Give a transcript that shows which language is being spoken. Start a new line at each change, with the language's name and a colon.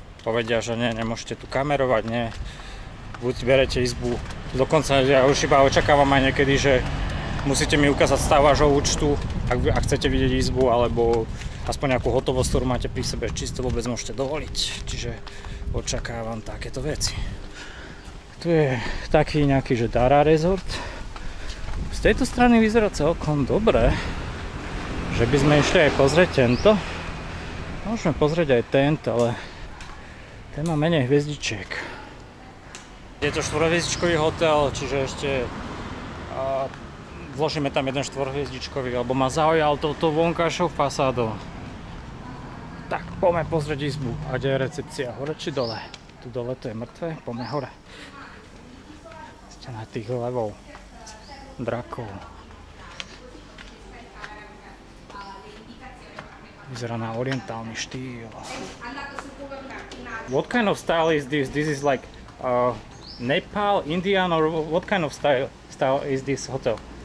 Slovak: povedia, že nie, nemôžete tu kamerovať, nie, buď berete izbu. Dokonca ja už iba očakávam aj niekedy, že musíte mi ukázať stav vášho účtu, ak chcete vidieť izbu, alebo aspoň nejakú hotovosť, ktorú máte pri sebe, či si to vôbec môžete dovoliť. Čiže očakávam takéto veci. Tu je taký nejaký, že Dara Resort. Z tejto strany vyzerá celkom dobre, že by sme išli aj pozrieť tento. Môžeme pozrieť aj tento, ale ten má menej hviezdičiek. Je to štvorhviezdičkový hotel, čiže ešte vložíme tam jeden štvorhviezdičkový, alebo ma zaujal touto vonkajšou fasádou. Tak poďme pozrieť izbu, a kde je recepcia, hore či dole? Tu dole to je mŕtve, poďme hore. Ste na tých levov, drakov. Vyzerá na orientálny štýl.
English: What kind of style is this? This is like Nepal, Indian, or what kind of style is this hotel?